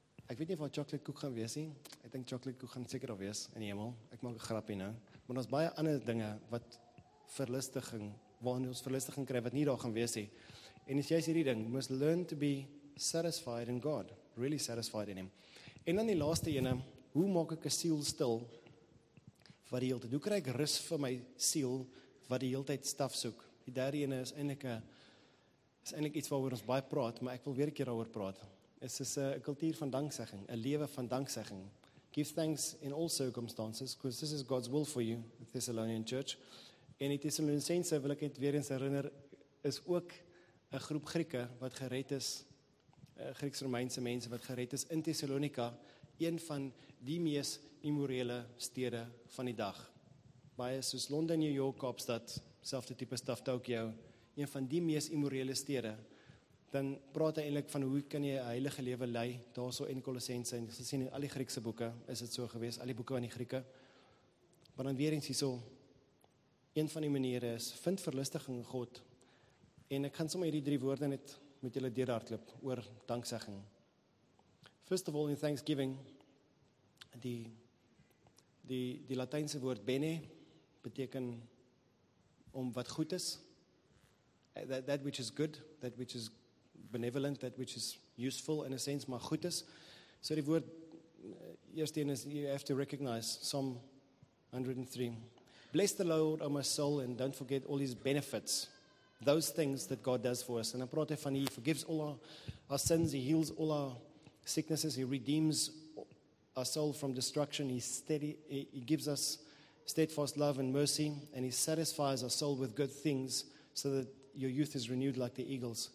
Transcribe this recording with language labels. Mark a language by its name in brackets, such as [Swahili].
[Afrikaans] Ek weet nie wat chocolate koek gaan wees nie, ek dink chocolate koek gaan seker al wees in die hemel, ek maak 'n grapje nou, maar daar is baie ander dinge wat verlustiging, waarin ons verlustiging kry, wat nie daar gaan wees he. En as jy sê die ding, [English] you must learn to be satisfied in God, really satisfied in Him. [Afrikaans] En dan die laaste ene, hoe maak ek 'n siel stil, wat die heeltyd, hoe kry ek rus vir my siel, wat die heeltyd staf soek? Die derde ene is eintlik iets waaroor ons baie praat, maar ek wil weer 'n keer daaroor praat. Dit is 'n kultuur van danksegging, 'n lewe van danksegging. [English] Give thanks in all circumstances, because this is God's will for you, the Thessalonian Church. [Afrikaans] En die Thessalonicense, wil ek het weer eens herinner, is ook 'n groep Grieke wat gered is, Grieks-Romeinse mense wat gered is in Thessalonica, een van die mees immorele stede van die dag. Baie soos Londen, New York, Kaapstad, selfde type stuff, Tokyo, een van die mees immorele stede, dan praat hy eintlik van hoe kan jy 'n heilige lewe lei, daar so in Kolossense, en gesien in al die Griekse boeke, is dit so gewees, al die boeke van die Grieke. Maar dan weer eens hier so, een van die maniere is, vind verlustiging in God, en ek gaan sommer hierdie drie woorde net met julle deur hardloop oor danksegging. [English] First of all, in thanksgiving, [Afrikaans] die Latynse woord bene, beteken om wat goed is, [English] that which is good, that which is benevolent, that which is useful in a sense, [Afrikaans] maar goed is. So die woord, eerste een is, [English] you have to recognize Psalm 103. Bless the Lord, O my soul, and don't forget all his benefits, those things that God does for us. [Afrikaans] En dan praat hy van, [English] he forgives all our sins, he heals all our sicknesses, he redeems our soul from destruction, he gives us steadfast love and mercy, and he satisfies our soul with good things, so that your youth is renewed like the eagles.